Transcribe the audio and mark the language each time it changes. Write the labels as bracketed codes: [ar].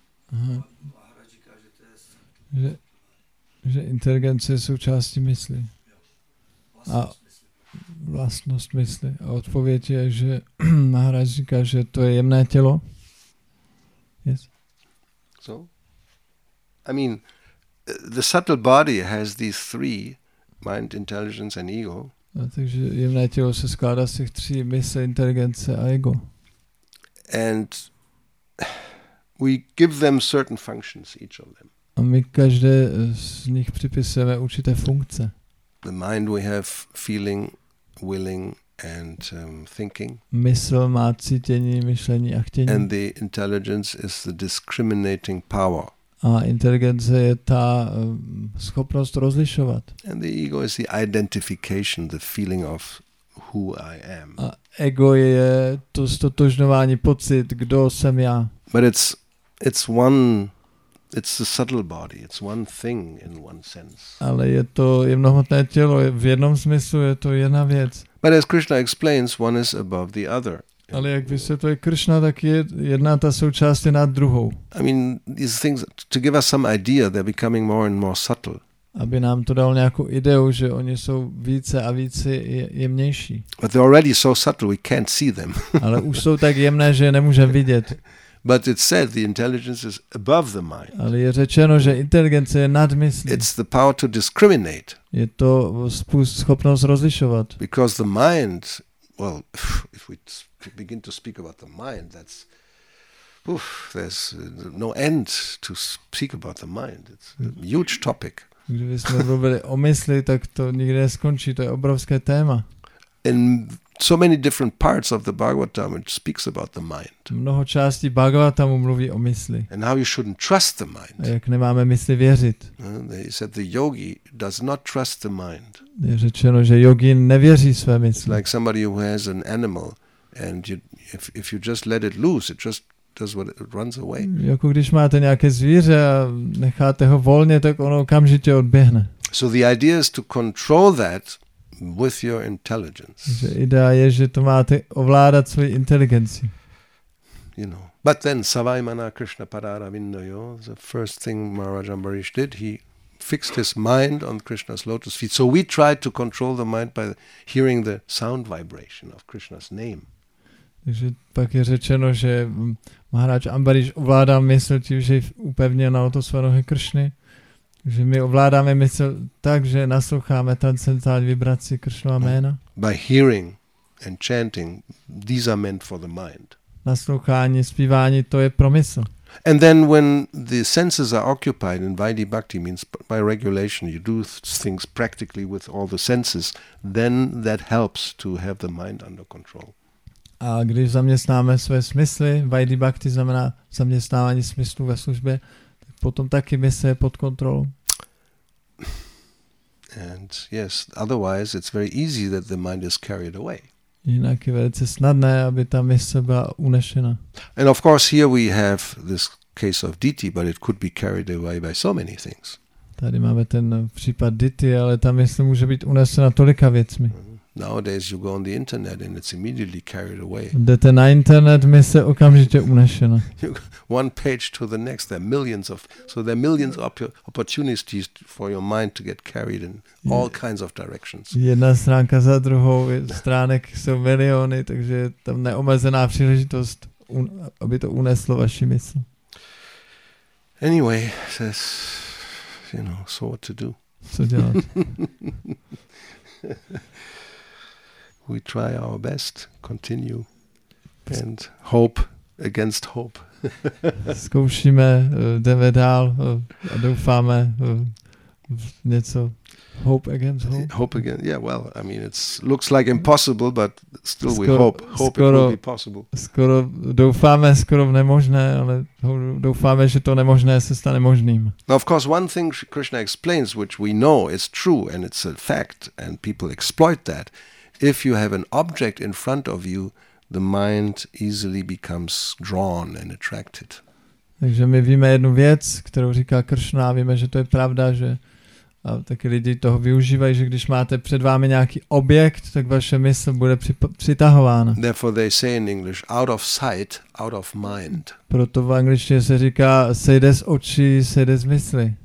[cs] Mahara říká, že to je [en] subtle. [cs] Že inteligence je součástí mysli. A vlastnost mysli. A odpověď je, že Maharaj říká, že to je jemné tělo. [en] Yes. So? I mean, the subtle body has these three, mind, intelligence and ego. [cs] A takže jemné tělo se skládá z těch tří, mysl, inteligence a ego. [en] And we give them certain functions, each of them. [cs] A my každé z nich připisujeme určité funkce. [en] The mind we have feeling, willing and thinking. [cs] Mysl má cítění, myšlení a chtění. [en] And the intelligence is the discriminating power. [cs] A inteligence je ta schopnost rozlišovat. [en] And the ego is the identification, the feeling of who I am. [cs] A ego je to ztotožňování, pocit, kdo jsem já. [en] But it's one It's the subtle body. It's one thing in one sense. [cs] Ale je to jemnohmotné tělo. V jednom smyslu je to jedna věc. [en] But as Krishna explains, one is above the other. [cs] Ale jak vysvětluje Krishna, tak je jedna ta součást je nad druhou. [en] I mean, these things, to give us some idea, they're becoming more and more subtle. [cs] Aby nám to dal nějakou ideu, že oni jsou více a více jemnější. [en] But they're already so subtle, we can't see them. [cs] Ale už jsou tak jemné, že je nemůžeme vidět. [en] But it's said the intelligence is above the mind. [cs] Ale je řečeno, že inteligence je nad myslí. [en] It's the power to discriminate. [cs] Je to schopnost rozlišovat. [en] Because the mind, well, if we begin to speak about the mind, that's there's no end to speak about the mind. It's a huge topic. [cs] Kdybychom mluvili o mysli, tak to nikdy neskončí. To je obrovské téma. [en] In so many different parts of the Bhagavatam, it speaks about the mind. [cs] Mnoho částí Bhagavatamu mluví o mysli. [en] And how you shouldn't trust the mind. [cs] A jak nemáme mysli věřit. [en] They said the yogi does not trust the mind. [cs] Je řečeno, že jogin nevěří své mysli. [en] It's like somebody who has an animal, and you, if you just let it loose, it just does what it runs away. [cs] Jako když máte nějaké zvíře a necháte ho volně, tak ono okamžitě odběhne. [en] So the idea is to control that with your intelligence. [cs] Že idea je, že to máte ovládat svou inteligenci. [en] You know. But then [sa] Savaimana Krishna Pararavindayo, [en] the first thing Maharaj Ambarish did, he fixed his mind on Krishna's lotus feet. So we try to control the mind by hearing the sound vibration of Krishna's name. [cs] Takže pak je řečeno, že Maharaj Ambarish ovládá mysl tím, že upevnil na lotus své nohy Krishny. Že my ovládáme mysl tak, že nasloucháme transcendentální vibraci Krishnova jména. [en] By hearing and chanting, these are meant for the mind. [cs] Naslouchání, zpívání, to je pro mysl. [en] And then when the senses are occupied in Vaidhi Bhakti, means by regulation, you do things practically with all the senses, then that helps to have the mind under control. [cs] A když zaměstnáme své smysly, Vaidhi Bhakti znamená zaměstnávání smyslu ve službě, potom taky mysl je pod kontrolou. [en] And yes, otherwise it's very easy that the mind is carried away. [cs] Jinak je velice snadné, aby ta mysl byla unešena. [en] And of course here we have this case of Diti, but it could be carried away by so many things. [cs] Tady máme ten případ Diti, ale ta mysl může být unesena tolika věcmi. [en] Nowadays you go on the internet and it's immediately carried away. [cs] Jdete na internet, mysl je okamžitě unešena. [en] One page to the next, there are millions of, so there are millions of opportunities for your mind to get carried in all kinds of directions. [cs] Jedna stránka za druhou, stránek jsou miliony, takže je tam neomezená příležitost, aby to uneslo vaši mysl. [en] Anyway, says, you know, so what to do? [cs] Co dělat? [en] We try our best, continue, and hope against hope. Zkoušíme, jdeme dál a doufáme v něco. Hope against hope. Hope against, yeah, well, I mean, it looks like impossible, but still [cs] skoro, [en] we hope. Hope [cs] skoro, [en] it will be possible. [cs] Skoro doufáme, skoro v nemožné, ale doufáme, že to nemožné se stane možným. [en] Now, of course, one thing Krishna explains, which we know is true, and it's a fact, and people exploit that. If you have an object in front of you, the mind easily becomes drawn and attracted. [cs] Takže my víme jednu věc, kterou říká Krishna, a víme, že to je pravda, že a taky lidi toho využívají, že když máte před vámi nějaký objekt, tak vaše mysl bude přitahována. [en] Therefore they say in English, out of sight, out of mind. [cs] Proto v angličtině se říká, sejde z očí, sejde z mysli.